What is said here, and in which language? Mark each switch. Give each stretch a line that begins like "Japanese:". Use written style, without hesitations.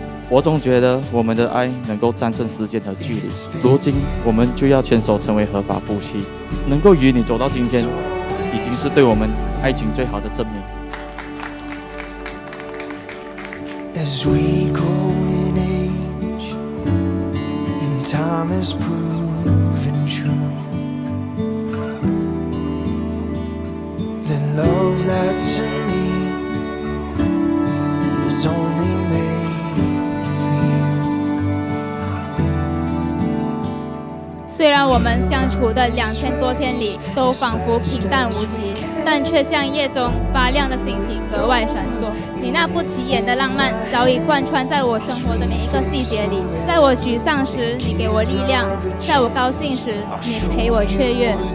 Chinese: 我总觉得我们的爱能够战胜时间和距离，如今我们就要牵手成为合法夫妻。能够与你走到今天，已经是对我们爱情最好的证明。
English: As we grow in age, and time has proven true, the love that's in me is only made for you.
Chinese: 虽然我们相处的2000多天里都仿佛平淡无奇，但却像夜中发亮的星星格外闪烁。你那不起眼的浪漫早已贯穿在我生活的每一个细节里，在我沮丧时你给我力量，在我高兴时你陪我雀跃。